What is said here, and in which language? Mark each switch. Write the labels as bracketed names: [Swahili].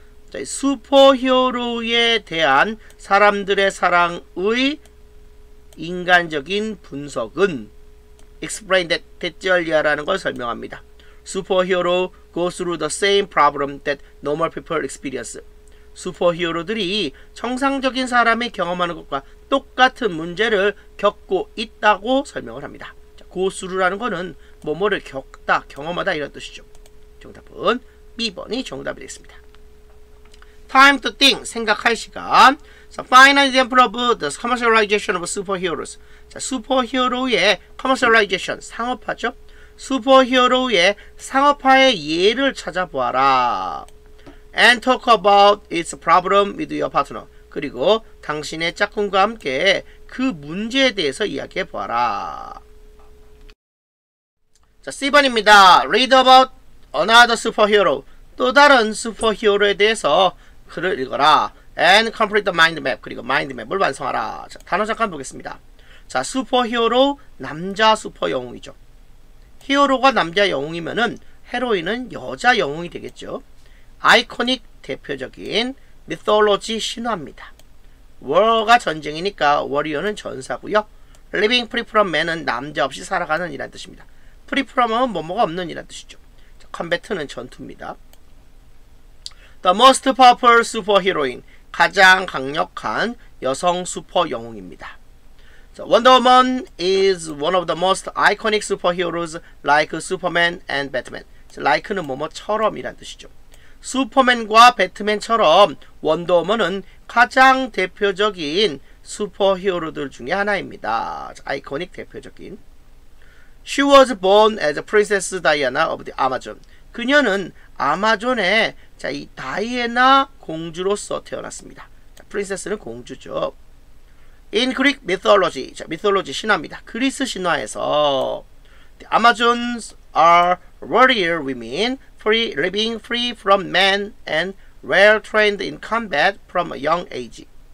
[Korean] 자, 슈퍼히어로에 대한 사람들의 사랑의 인간적인 분석은 [English] explain that [Korean] 대절이야라는 걸 설명합니다. [English] Superhero goes through the same problem that normal people experience. [Korean] 슈퍼히어로들이 정상적인 사람이 경험하는 것과 똑같은 문제를 겪고 있다고 설명을 합니다. 자, go through라는 거는 뭐뭐를 겪다, 경험하다 이런 뜻이죠. 정답은 B번이 정답이 되겠습니다. [English] Time to think, [Korean] 생각할 시간. [English] So, final example of the commercialization of superheroes. [Korean] 자, 슈퍼히어로의 commercialization, 상업화죠. 슈퍼히어로의 상업화의 예를 찾아보아라. [English] And talk about its problem with your partner. [Korean] 그리고 당신의 짝꿍과 함께 그 문제에 대해서 이야기해보아라. [English] 자, [Korean] C번입니다. [English] Read about another superhero. [Korean] 또 다른 슈퍼히어로에 대해서 글을 읽어라. [English] And complete the mind map. [Korean] 그리고 mind map을 완성하라. 자, 단어 잠깐 보겠습니다. 자, 슈퍼히어로, 남자 슈퍼영웅이죠. 히어로가 남자 영웅이면은 헤로인은 여자 영웅이 되겠죠. 아이코닉 대표적인 미톨로지 신화입니다. 워가 전쟁이니까 워리어는 전사고요. [English] Living free from man [Korean] 은 남자 없이 살아가는 이란 뜻입니다. Free from은 뭐뭐가 없는 이란 뜻이죠. 자, combat는 전투입니다. [English] The most powerful superheroin, [Korean] 가장 강력한 여성 슈퍼 영웅입니다. [English] So, Wonder Woman is one of the most iconic superheroes like Superman and Batman. [Korean] So, like는 뭐뭐처럼 이란 뜻이죠. 슈퍼맨과 배트맨처럼 원더우먼은 가장 대표적인 슈퍼히어로들 중에 하나입니다. 아이코닉 대표적인. [English] She was born as a Princess Diana of the Amazon. [Korean] 그녀는 아마존의 자, 이 다이애나 공주로서 태어났습니다. 자, 프린세스는 공주죠. [English] In Greek mythology, [Korean] 자, mythology 신화입니다. 그리스 신화에서 [English] The Amazons are warrior women, free, living free from men and well trained in combat from a young age.